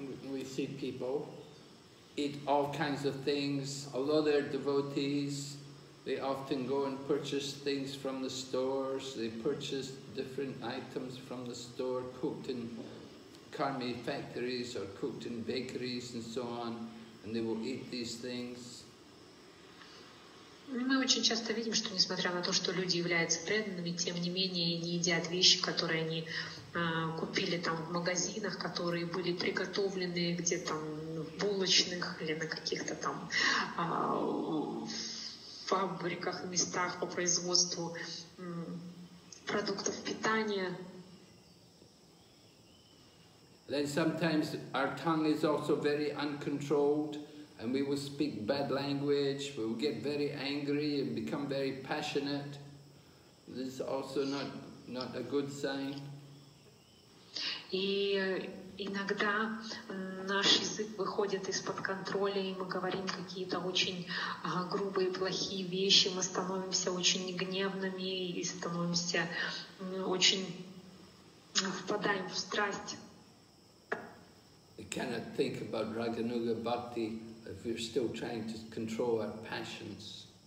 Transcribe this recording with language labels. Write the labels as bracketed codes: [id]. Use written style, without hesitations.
[en] We see people eat all kinds of things, although they're devotees, they often go and purchase things from the stores, they purchase different items from the store, cooked in karmi factories or cooked in bakeries and so on, and they will eat these things. [ru] Мы очень часто видим, что несмотря на то, что люди являются преданными, тем не менее они едят вещи, которые они купили там в магазинах, которые были приготовлены где-то в булочных или на каких-то там фабриках, местах по производству продуктов питания. [en] Then sometimes our tongue is also very uncontrolled, and we will speak bad language, we will get very angry and become very passionate. This is also not a good sign. [ru] И иногда наш язык выходит из-под контроля, и мы говорим какие-то очень грубые, плохие вещи, мы становимся очень гневными и становимся очень впадаем в страсть. [en] We cannot think about Raganuga Bhakti if we're still trying to control our passions.